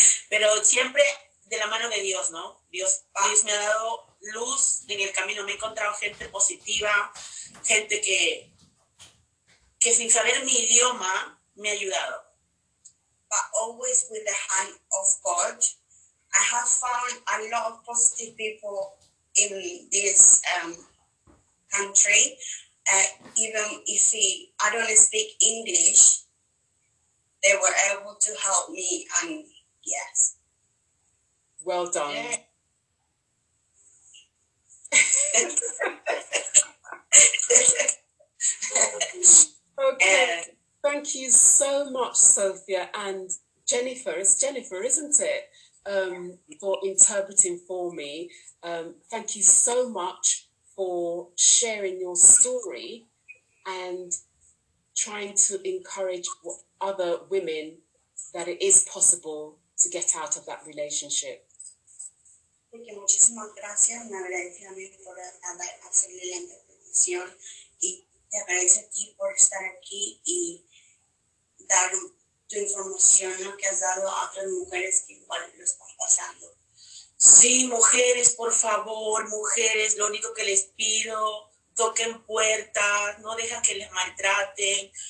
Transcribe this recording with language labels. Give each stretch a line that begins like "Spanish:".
Spanish: Pero siempre de la mano de Dios, ¿no? Dios me ha dado luz en el camino. Me he encontrado gente positiva, gente que sin saber mi idioma me ha ayudado.
English: But always with the hand of God, I have found a lot of positive people in this country. Even if I don't speak English, they were able to help me. And yes, well done. Yeah. Okay. Thank you so much, Sophia and Jennifer. It's Jennifer, isn't it? For interpreting for me. Thank you so much for sharing your story and trying to encourage other women that it is possible to get out of that relationship. Thank you.
Spanish: Muchísimas gracias. Me agradezco a mí por hacerle la interpretación. Y te agradezco a ti por estar aquí y dar tu información, ¿no? Que has dado a otras mujeres que igual lo están pasando. Sí, mujeres, por favor, mujeres, lo único que les pido, toquen puertas, no dejen que les maltraten.